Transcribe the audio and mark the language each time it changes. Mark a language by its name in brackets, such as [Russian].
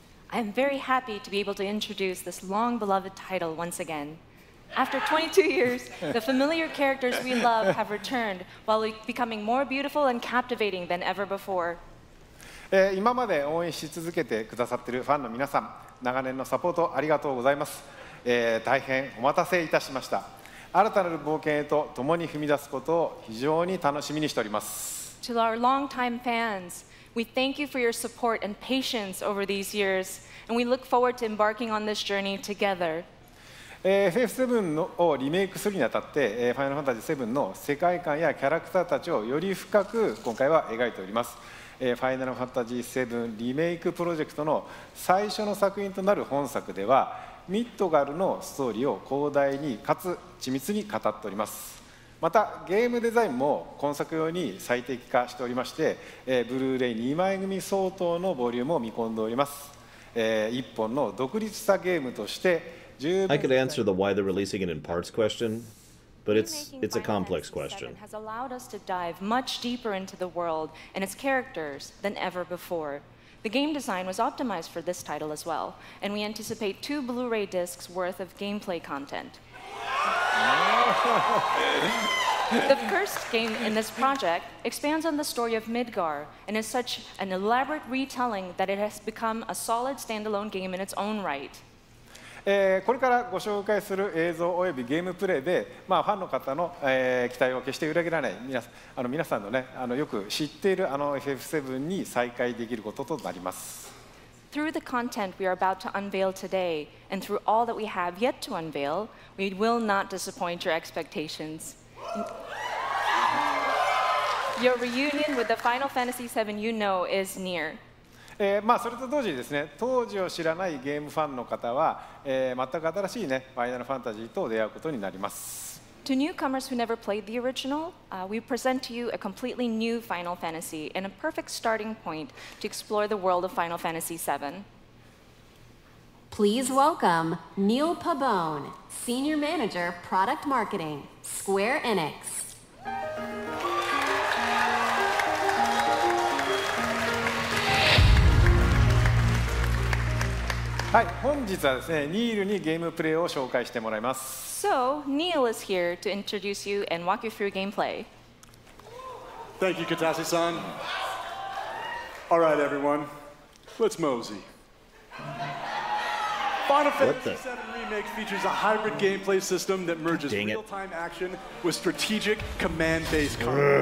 [English] I'm very happy to be able to introduce this long beloved title once again. After 22 years, the familiar characters we love have returned while becoming more beautiful and captivating than ever before. [Japanese] 今まで応援し続けてくださっているファンの皆さん、長年のサポートありがとうございます。大変お待たせいたしました。新たなる冒険へと共に踏み出すことを非常に楽しみにしております。 To our long-time fans, we thank you for your support and patience over these years, and we look forward to embarking on this journey together. FF7 をリメイクするにあたって、Final Fantasy VII の世界観やキャラクターたちをより深く今回は描いております。 Final Fantasy VII リメイクプロジェクトの最初の作品となる本作では、ミッドガルのストーリーを広大にかつ緻密に語っております。またゲームデザインも今作用に最適化しておりまして、ブルーレイ2枚組相当のボリュームを見込んでおります。一本の独立したゲームとして十分。 [English] I could answer the why they're releasing it in parts question, but it's a complex question. Has allowed us to dive much deeper into the world and its characters than ever before. The game design was optimized for this title as well, and we anticipate two Blu-ray discs worth of gameplay content. The first game in this project expands on the story of Midgar and is such an elaborate retelling that it has become a solid standalone game in its own right. [Japanese] これからご紹介する映像およびゲームプレイで、まあ、ファンの方の、期待を決して裏切らない皆さんの、ね、よく知っているFF7 に再会できることとなります。 [English] Through the content we are about to unveil today and through all that we have yet to unveil, we will not disappoint your expectations. Your reunion with the Final Fantasy VII you know is near. [Japanese] まあ、それと同時にですね、当時を知らないゲームファンの方は、全く新しいね、ファイナルファンタジーと出会うことになります。 [English] To newcomers who never played the original, we present to you a completely new Final Fantasy and a perfect starting point to explore the world of Final Fantasy VII. Please welcome Neil Pabon, Senior Manager, Product Marketing, Square Enix. [Japanese] はい、本日はですね、ニールにゲームプレイを紹介してもらいます。 [English] So, Neil is here to introduce you and walk you through gameplay. Thank you, Kitase-san. All right, everyone. Let's mosey. Final Fantasy VII Remake features a hybrid gameplay system that merges real-time action with strategic command-based combat.